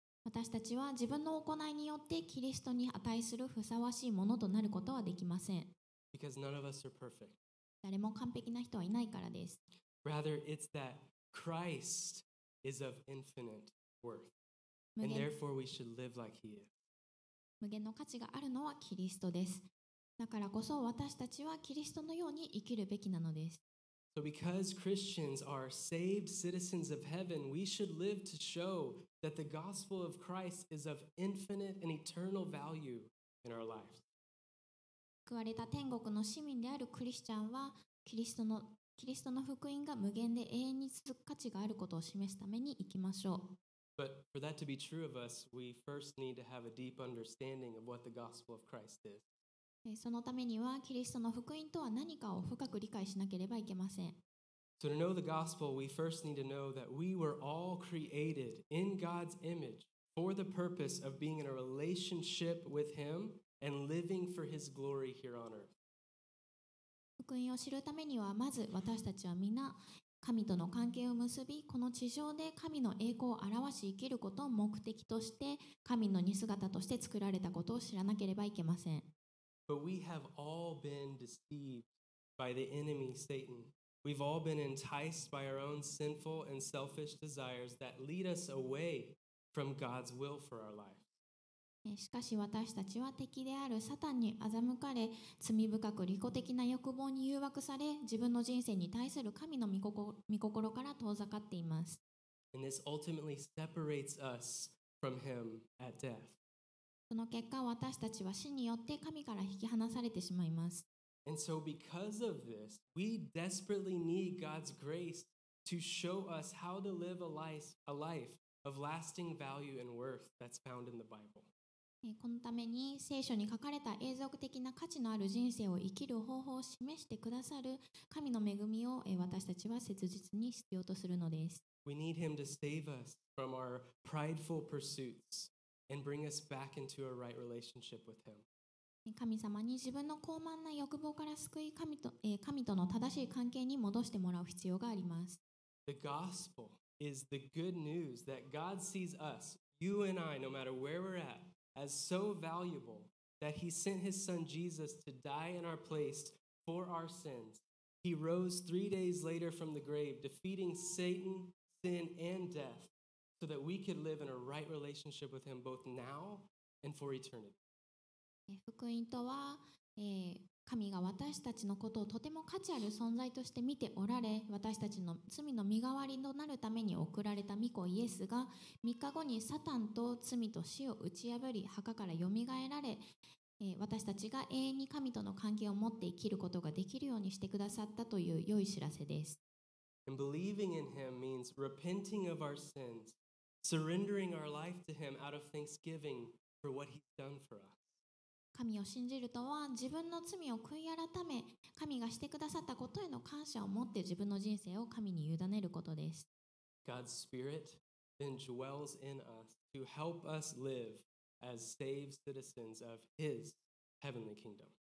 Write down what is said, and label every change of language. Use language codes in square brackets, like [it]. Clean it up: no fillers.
[ja] 私たちは自分の行いによってキリストに値するふさわしいものとなることはできません。 [en] Because none of us are perfect. [ja] 誰も完璧な人はいないからです。 [en] Rather, it's that Christ is of infinite worth. And therefore we should live like he is. [ja] 無限の価値があるのはキリストです。だからこそ私たちはキリストのように生きるべきなのです。 [en] So because Christians are saved citizens of heaven, we should live to show that the gospel of Christ is of infinite and eternal value in our lives. [ja] 救われた天国の市民であるクリスチャンはキリストの福音が無限で永遠に続く価値があることを示すために生きましょう。 [en] But for that to be true of us, we first need to have a deep understanding of what the gospel of Christ is. [ja] そのためにはキリストの福音とは何かを深く理解しなければいけません。 [en] So to know the gospel, we first need to know that we were all created in God's image for the purpose of being in a relationship with Him and living for His glory here on earth. [ja] 福音を知るためにはまず私たちは皆神との関係を結び、この地上で神の栄光を表し生きることを目的として、神の似姿として作られたことを知らなければいけません。 [en] But we have all been deceived by the enemy Satan. We've all been enticed by our own sinful and selfish desires that lead us away from God's will for our life. [ja] しかし私たちは敵であるサタンに欺かれ、罪深く利己的な欲望に誘惑され、自分の人生に対する神の御心から遠ざかっています。 [en] And this ultimately separates us from him at death. [ja] その結果、私たちは死によって神から引き離されてしまいます。 [en] And so because of this, we desperately need God's grace to show us how to live a life of lasting value and worth that's found in the Bible. [ja] このために聖書に書かれた永続的な価値のある人生を生きる方法を示してくださる神の恵みを私たちは切実に必要とするのです。 [en] We need him to save us from our prideful pursuits and bring us back into a right relationship with him. [ja] 神様に自分の高慢な欲望から救い、神との正しい関係に戻してもらう必要があります。 [en] The gospel is the good news that God sees us, you and I, no matter where we're atAs so valuable that he sent his son Jesus to die in our place for our sins. He rose 3 days later from the grave, defeating Satan, sin, and death, so that we could live in a right relationship with him both now and for eternity. [ja] 福音とは、神が私たちのことをとても価値ある存在として見ておられ、私たちの罪の身代わりとなるために送られた御子イエスが3日後にサタンと罪と死を打ち破り墓からよみがえられ、私たちが永遠に神との関係を持って生きることができるようにしてくださったという良い知らせです。 [en] And believing in him means repenting of our sins, surrendering our life to him out of thanksgiving for what he's done for us. [ja] 神を信じるとは、自分の罪を悔い改め、神がしてくださったことへの感謝を持って自分の人生を神に委ねることです。 [en] God's Spirit then dwells in us to help us live as saved citizens of His heavenly kingdom.